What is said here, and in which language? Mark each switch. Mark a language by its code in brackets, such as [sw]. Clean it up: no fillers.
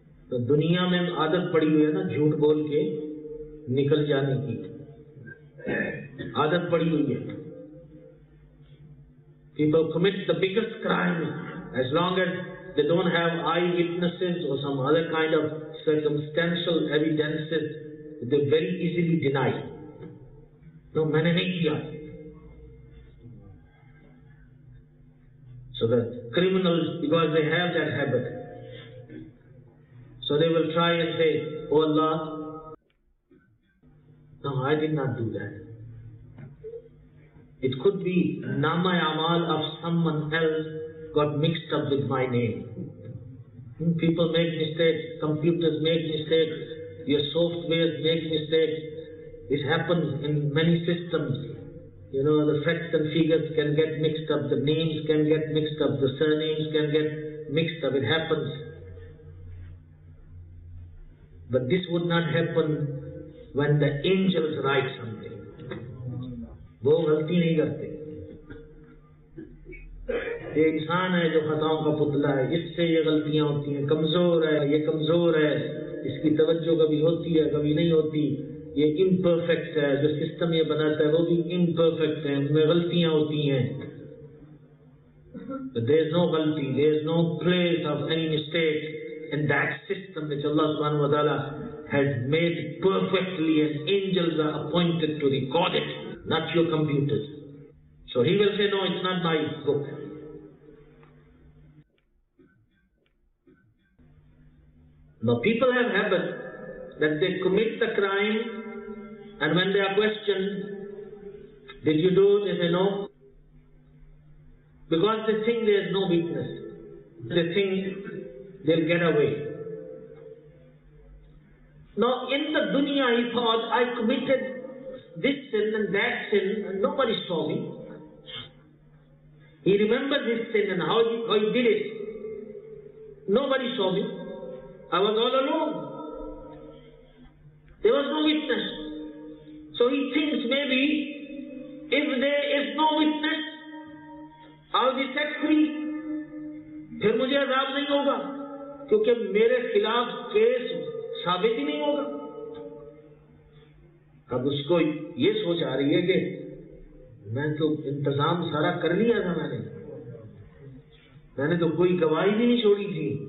[hi] To duniya mein aadat padi hui hai na jhoot bol ke निकल जाने की आदत पड़ी हुई है, [en] people commit the biggest crime as long as they don't have eye witnesses और some other kind of circumstantial evidences they very easily deny, no [hi] मैंने नहीं किया, [en] So the criminal because they have that habit, so they will try and say O अल्लाह No, I did not do that. It could be Namay Amal of someone else got mixed up with my name. People make mistakes, computers make mistakes, your softwares make mistakes. It happens in many systems. You know, the facts and figures can get mixed up, the names can get mixed up, the surnames can get mixed up. It happens. But this would not happen when the angels write something. [hi] वो गलती नहीं करते. ये इंसान है जो खताओं का पुतला है, इससे ये गलतियां होती हैं. कमजोर है ये, कमजोर है, इसकी तवज्जो कभी होती है कभी नहीं होती. ये इम्परफेक्ट है, जो सिस्टम ये बनाता है वो भी इम्परफेक्ट है, उनमें गलतियां होती हैं. [en] There is no गलती, there is no place of any mistake in that system which अल्लाह सुब्हानहू व तआला has made perfectly and angels are appointed to record it. Not your computers. So he will say, no, it's not my book. Now people have habit that they commit the crime, and when they are questioned, did you do it? They say no. Because they think there is no witness. They think they'll get away. Now in the dunya he thought, I committed this sin and that sin, and nobody saw me. He remembered this sin and how he did it. Nobody saw me. I was all alone. There was no witness. So he thinks maybe if there is no witness, I'll be set free. [hi] फिर मुझे अजाब नहीं होगा क्योंकि मेरे खिलाफ case साबित ही नहीं होगा. अब उसको ये सोच आ रही है कि मैं तो इंतजाम सारा कर लिया था, मैंने तो कोई गवाही भी नहीं छोड़ी थी.